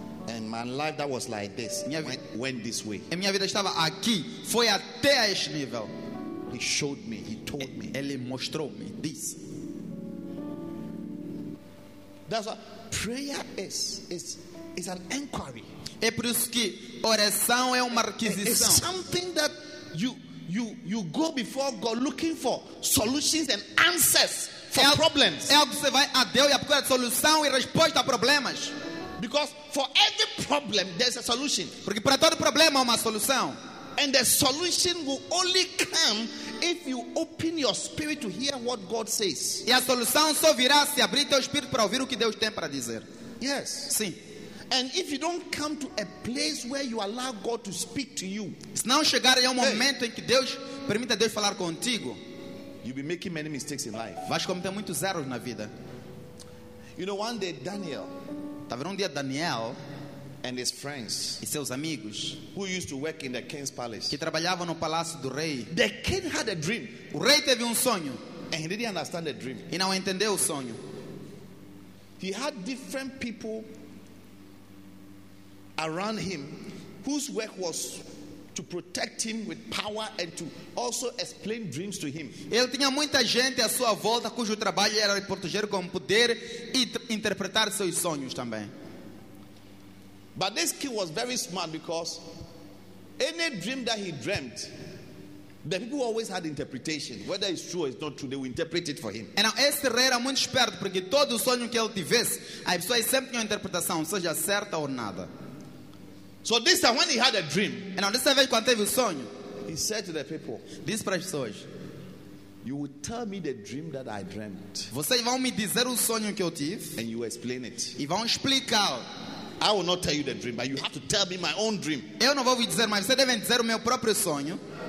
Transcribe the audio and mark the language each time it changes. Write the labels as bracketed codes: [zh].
[en] And my life that was like this went this way. [pt] E minha vida estava aqui, foi até a este nível. [en] He showed me. He told me. [pt] Ele mostrou-me. [en] This. That's what prayer is. It's an inquiry. [pt] É por isso que oração é uma requisição. [en] It's something that you go before God looking for solutions and answers for problems. [pt] É algo que você vai a Deus à procura de solução e resposta a problemas. [en] Because for every problem there's a solution. [pt] Porque para todo problema há uma solução. [en] And the solution will only come if you open your spirit to hear what God says. [pt] E a solução só virá se abrir teu espírito para ouvir o que Deus tem para dizer. [en] Yes. [pt] Sim. [en] And if you don't come to a place where you allow God to speak to you, [pt] se não chegar em momento em que Deus permita Deus falar contigo, [en] you'll be making many mistakes in life. [pt] Vais cometer muitos erros na vida. [en] You know, one day Daniel. [pt] Tá vendo um dia Daniel [en] and his friends, [pt] e seus amigos, [en] who used to work in the king's palace, [pt] que trabalhavam no palácio do rei. [en] The king had a dream. [pt] O rei teve sonho, [en] and he didn't understand the dream. [pt] E não entendeu o sonho. [en] He had different people around him, whose work was to protect him with power and to also explain dreams to him. [pt] Ele tinha muita gente à sua volta cujo trabalho era proteger com poder e interpretar seus sonhos também. [en] But this king was very smart because any dream that he dreamt, the people always had interpretation. Whether it's true or it's not true, they will interpret it for him. [pt] E não, este rei era muito esperto porque todo sonho que ele tivesse, as pessoas sempre tinham interpretação, seja certa ou nada. [en] So this time when he had a dream, [pt] e não, desta vez quando teve sonho, [en] he said to the people, [pt] disse para as pessoas, [en] "You will tell me the dream that I dreamt." [pt] Vocês vão me dizer o sonho que eu tive. [en] And you explain it. [pt] E vão explicar. [en] I will not tell you the dream, but you have to tell me my own dream. [pt] Eu não vou lhe dizer, mas você deve dizer o meu próprio sonho.